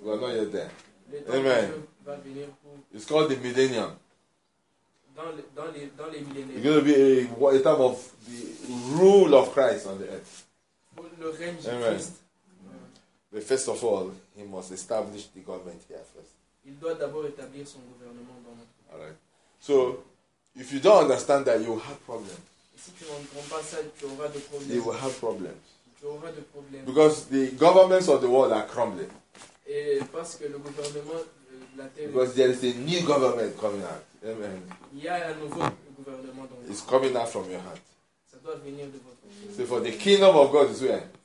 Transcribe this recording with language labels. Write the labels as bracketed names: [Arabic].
[English] We are not yet there. Amen. It's called the millennium. [French] Dans les [English] it's going to be a time of the rule of Christ on the earth. [French] Le règne Amen. Christ. [English] But first of all, he must establish the government here first. [French] Il doit d'abord établir son gouvernement dans notre pays. [English] All right. So, if you don't understand that, you will have problems. [French] Si tu n'entends pas ça, tu auras de problèmes. [English] You will have problems. [French] Tu auras de problèmes. [English] Because the governments of the world are crumbling. [French] Et parce que le gouvernement la terre [English] because there is a new government coming out. Amen. [French] Il y a un nouveau gouvernement dans [English] it's coming out from your heart. [French] Ça doit venir de votre cœur. [English] So for the kingdom of God is where?